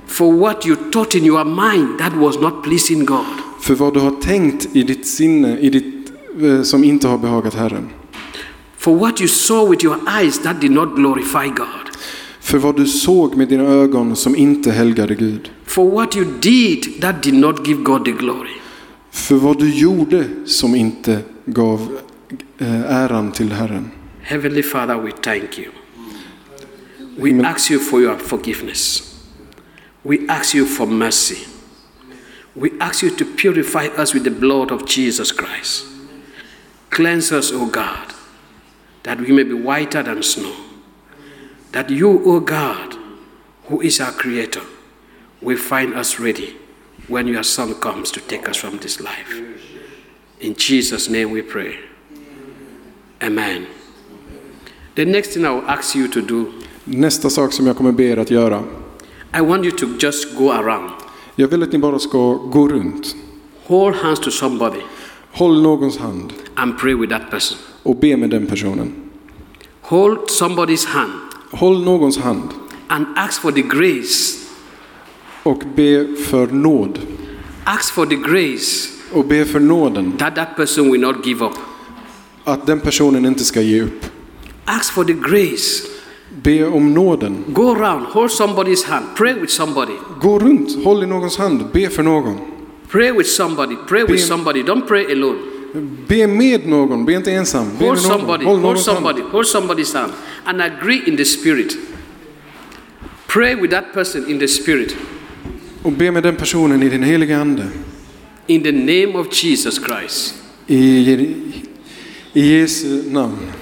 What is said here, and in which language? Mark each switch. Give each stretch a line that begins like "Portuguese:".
English: For what you thought in your mind that was not pleasing God.
Swedish: För vad du har tänkt i ditt sinne i ditt som inte har behagat Herren.
English: For what you saw with your eyes that did not glorify God.
Swedish: För vad du såg med dina ögon som inte helgade Gud.
English: For what you did that did not give God the glory.
Swedish: För vad du gjorde som inte gav äran till Herren.
English: Heavenly Father, we thank you. We ask you for your forgiveness. We ask you for mercy. We ask you to purify us with the blood of Jesus Christ. Cleanse us, O God, that we may be whiter than snow. That you, O God, who is our Creator, will find us ready when your Son comes to take us from this life. In Jesus' name we pray. Amen. The next thing I will ask you to do.
Swedish: Nästa sak som jag kommer be er att göra.
English: I want you to just go around.
Swedish: Jag vill att ni bara ska gå runt.
English: Hold hands to somebody.
Swedish: Håll någons hand.
English: And pray with that person.
Swedish: Och be med den personen.
English: Hold somebody's hand.
Swedish: Håll någons hand.
English: And ask for the grace.
Swedish: Och be för nåd.
English: Ask for the grace.
Swedish: Och be för nåden.
English: That person will not give up.
Swedish: Att den personen inte ska ge upp.
English: Ask for the grace.
Swedish: Be om nåden.
English: Go around, hold somebody's hand, pray with somebody.
Swedish: Gå runt, håll i någons hand, be för någon.
English: Pray with somebody, pray with somebody. Don't pray alone.
Swedish: Be med någon, be inte ensam. Be
English: hold
Swedish: med
English: somebody,
Swedish: någon.
English: Hold somebody, hand. Hold somebody's hand, and agree in the spirit. Pray with that person in the spirit.
Swedish: Och be med den personen i din heliga ande.
English: In the name of Jesus Christ.
Swedish: I Jesu namn.